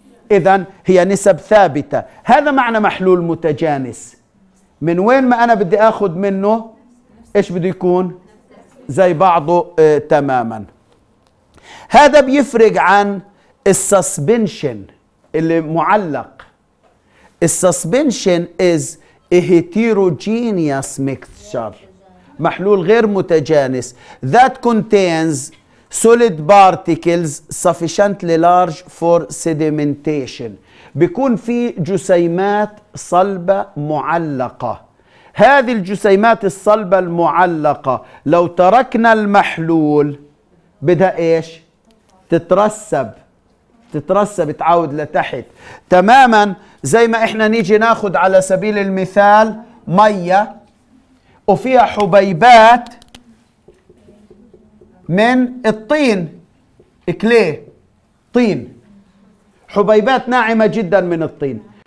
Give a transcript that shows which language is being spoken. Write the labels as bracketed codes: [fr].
[ar] إذن هي نسب ثابتة، هذا معنى محلول متجانس. من وين ما أنا بدي أخد منه إيش بده يكون؟ زي بعضه تماما. هذا بيفرق عن السسبنشن اللي معلق. [en] السسبنشن is a heterogeneous mixture، [ar] محلول غير متجانس، [en] that contains solid particles sufficiently large for sedimentation، [ar] بيكون في جسيمات صلبة معلقة. هذه الجسيمات الصلبة المعلقة لو تركنا المحلول بدها ايش؟ تترسب، تترسب، تعود لتحت. تماما زي ما احنا نيجي ناخد على سبيل المثال مية وفيها حبيبات من الطين، اكليه طين، حبيبات ناعمة جدا من الطين.